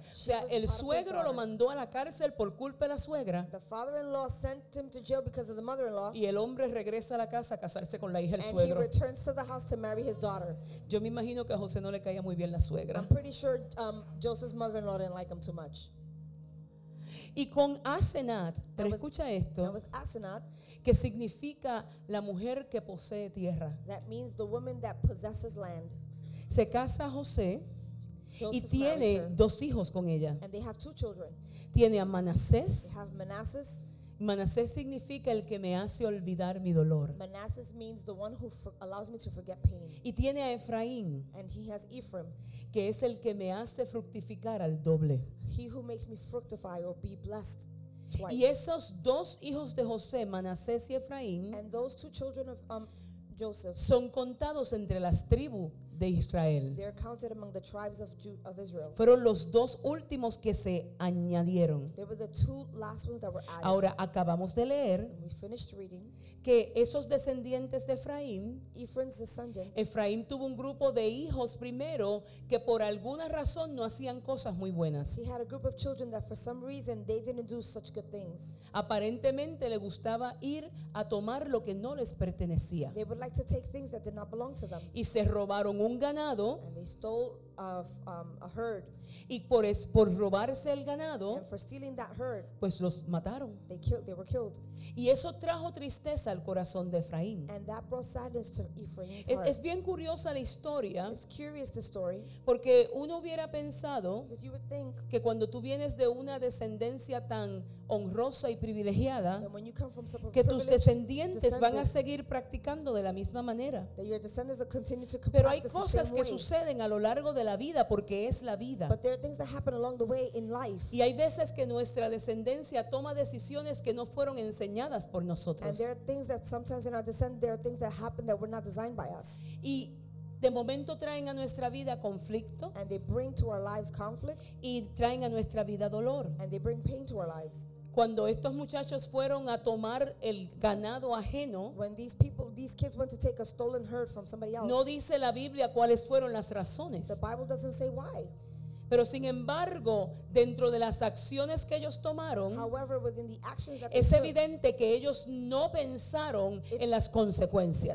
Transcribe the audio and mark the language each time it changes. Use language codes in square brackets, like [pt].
[es] O sea, el suegro lo mandó a la cárcel por culpa de la suegra. [en] The father-in-law sent him to jail because of the mother-in-law. [es] Y el hombre regresa a la casa a casarse con la hija del suegro. [en] And he returns to the house to marry his daughter. [es] Yo me imagino que a José no le caía muy bien la suegra. [en] I'm pretty sure Joseph's mother-in-law didn't like him too much. [es] Y con Asenat, pero escucha esto. [en] And with Asenat, [es] que significa la mujer que posee tierra. [en] That means the woman that possesses land. [es] Se casa José. [en] Joseph [es] y tiene dos hijos con ella. [en] And they have two children. [es] Tiene a Manasés. [en] They have Manasses. [es] Manasés significa el que me hace olvidar mi dolor. [en] Manasses means the one who allows me to forget pain. [es] Y tiene a Efraín. [en] And he has Ephraim. [es] Que es el que me hace fructificar al doble. [en] He who makes me fructify or be blessed twice. [es] Y esos dos hijos de José, Manasés y Efraín, [en] and those two children of Joseph, [es] son contados entre las tribus de Israel. [en] They're counted among the tribes of Israel. [es] Fueron los dos últimos que se añadieron. [en] They were the two last ones that were added. [es] Ahora acabamos de leer, [en] and we finished reading, [es] que esos descendientes de Efraín, [en] Ephraim's descendants, [es] Efraín tuvo un grupo de hijos primero que por alguna razón no hacían cosas muy buenas. [en] He had a group of children that for some reason they didn't do such good things. [es] Aparentemente le gustaba ir a tomar lo que no les pertenecía. [en] They would like to take things that did not belong to them. [es] Y se robaron un ganado. [en] And they stole a herd. [es] Y por robarse el ganado, [en] and for stealing that herd, [es] pues los mataron. [en] They were killed. [es] Y eso trajo tristeza al corazón de Efraín. [en] And that brought sadness to Ephraim's heart. [es] Es bien curiosa la historia. [en] It's curious, the story. [es] Porque uno hubiera pensado, [en] because you would think, [es] que cuando tú vienes de una descendencia tan honrosa y privilegiada, [en] when you come from some [es] que tus descendientes van a seguir practicando de la misma manera. [en] That your descendants will continue to, [es] pero hay cosas que suceden a lo largo de la vida, porque es la vida. [en] But there are things that happen along the way in life. [es] Y hay veces que nuestra descendencia toma decisiones que no fueron enseñadas por nosotros. [en] And there are things that sometimes in our descendants there are things that happen that were not designed by us. [es] Y de momento traen a nuestra vida conflicto. [en] And they bring to our lives conflict. [es] Y traen a nuestra vida dolor. [en] And they bring pain to our lives. [es] Cuando estos muchachos fueron a tomar el ganado ajeno, [en] when these kids went to take a stolen herd from somebody else, [es] no dice la Biblia cuáles fueron las razones. [en] The Bible doesn't say why. [es] Pero sin embargo, dentro de las acciones que ellos tomaron, [en] however, within the actions that [es] es evidente que ellos no pensaron en las consecuencias.